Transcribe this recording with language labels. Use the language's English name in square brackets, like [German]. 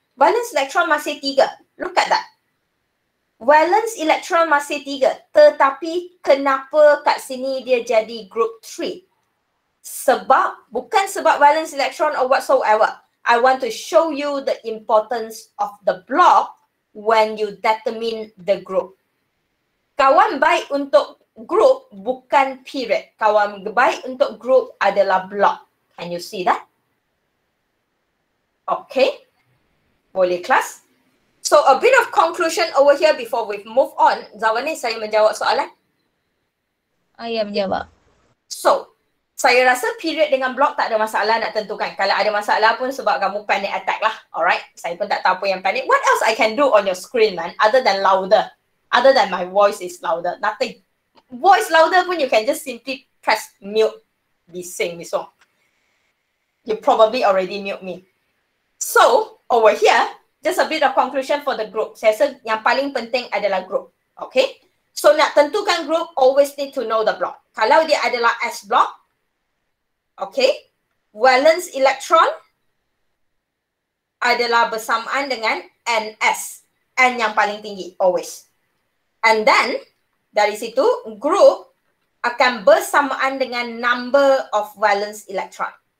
[English] Valence electron [Malay] masih 3. [English] Look at that. Valence electron masih 3. [Malay] Tetapi kenapa kat sini dia jadi group 3? Sebab, bukan sebab valence electron or whatsoever. [English] I want to show you the importance of the block when you determine the group. [Malay] Kawan baik untuk group bukan period. Kawan baik untuk group adalah block. [English] Can you see that? Okay. [Malay] Boleh kelas? [English] So a bit of conclusion over here before we move on. Zawani, [Malay] saya menjawab soalan? Saya menjawab. So, saya rasa period dengan block tak ada masalah nak tentukan. Kalau ada masalah pun sebab kamu panic attack lah. Alright, saya pun tak tahu apa yang panic. [English] What else I can do on your screen, man? Other than louder. Other than my voice is louder. Nothing. Voice louder pun you can just simply press mute. [Malay] Bising, [English] miso. You probably already mute me. So, over here, just a bit of conclusion for the group. [Malay] Saya rasa yang paling penting adalah group. [English] Okay? So, [Malay] nak tentukan [English] group, always need to know the block. [Malay] Kalau dia adalah S block, okay, valence electron adalah bersamaan dengan NS. N yang paling tinggi, always. [English] And then, [Malay] dari situ, group akan bersamaan dengan number of valence electron.